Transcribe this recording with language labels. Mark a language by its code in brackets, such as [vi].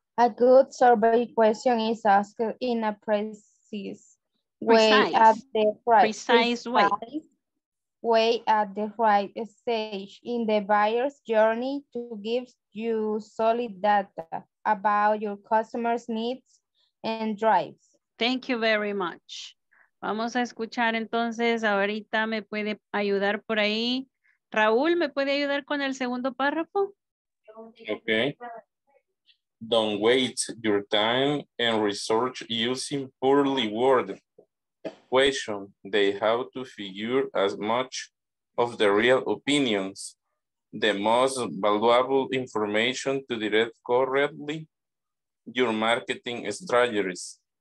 [en] A good survey question is asked in a precise way at the right stage in the buyer's journey to give you solid data about your customer's needs and drives. Thank you very much. [es] Vamos a escuchar entonces, ahorita me puede ayudar por ahí. Raúl, ¿me puede ayudar con el segundo párrafo? [en] Okay. Don't waste your time and research using poorly worded question. They have to figure as much of the real opinions, the most valuable information to direct correctly your marketing strategies.